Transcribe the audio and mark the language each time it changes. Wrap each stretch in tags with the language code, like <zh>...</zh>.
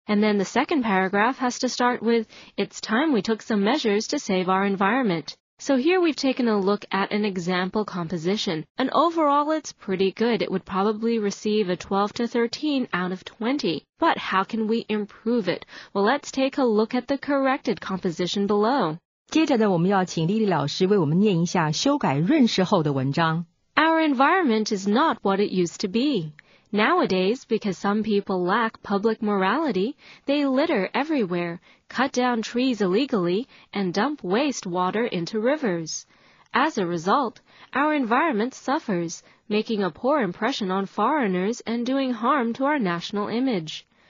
<en>And then the second paragraph has to start with, It's time we took some measures to save our environment. So here we've taken a look at an example composition, and overall it's pretty good. It would probably receive a 12 to 13 out of 20. But how can we improve it? Well, let's take a look at the corrected composition below.</en> <zh>接着呢，我们要请莉莉老师为我们念一下修改润饰后的文章。</zh> <en>Our environment is not what it used to be. Nowadays, because some people lack public morality, they litter everywhere. Cut down trees illegally, and dump wastewater into rivers. As a result, our environment suffers, making a poor impression on foreigners and doing harm to our national image.</en>